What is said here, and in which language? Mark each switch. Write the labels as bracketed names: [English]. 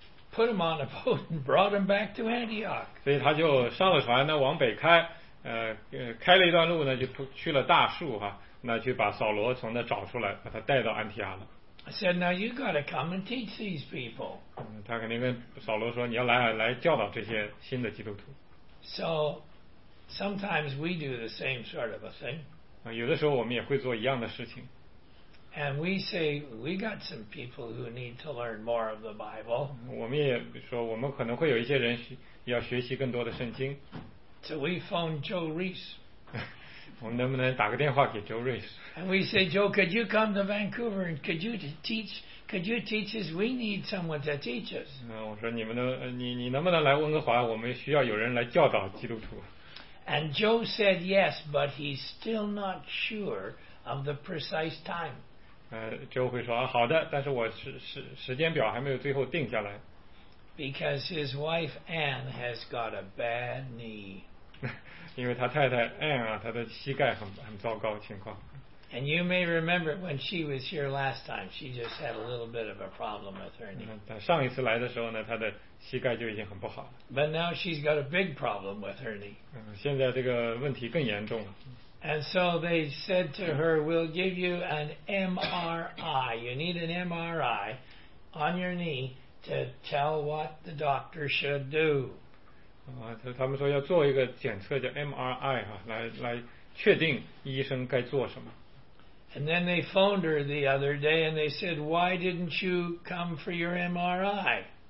[English] Put him on a boat and brought him back to Antioch. [Chinese] 所以他就上了船呢，往北开，开了一段路呢，就去了大树哈，那去把扫罗从那找出来，把他带到安提阿了。 [English] I said, now you got to come and teach these people. [Chinese] 他肯定跟扫罗说，你要来教导这些新的基督徒。 [English] So sometimes we do the same sort of a thing. [Chinese] 有的时候我们也会做一样的事情。 [English] And we say we got some people who need to learn more of the Bible. [Chinese] 我们也说我们可能会有一些人要学习更多的圣经。 [English] So we phone Joe Reese. [Chinese] 我们能不能打个电话给 Joe Reese? [English] And we say, Joe, could you come to Vancouver and could you teach us? We need someone to teach us. [Chinese] 我说你能不能来温哥华？我们需要有人来教导基督徒。 [English] And Joe said yes, but he's still not sure of the precise time. [Chinese] 就会说、啊、好的，但是我时间表还没有最后定下来。 [English] Because his wife Anne has got a bad knee. [Chinese] 因为他太太 Anne 啊，她的膝盖很糟糕情况。 [English] And you may remember when she was here last time, she just had a little bit of a problem with her knee. [Chinese] 她上一次来的时候呢，她的膝盖就已经很不好了。 [English] But now she's got a big problem with her knee. [Chinese] 现在这个问题更严重了。 [English] And so they said to her, we'll give you an MRI. You need an MRI on your knee to tell what the doctor should do. [Chinese] 他们说要做一个检测叫 MRI, 来确定医生该做什么。 [English] And then they phoned her the other day and they said, why didn't you come for your MRI?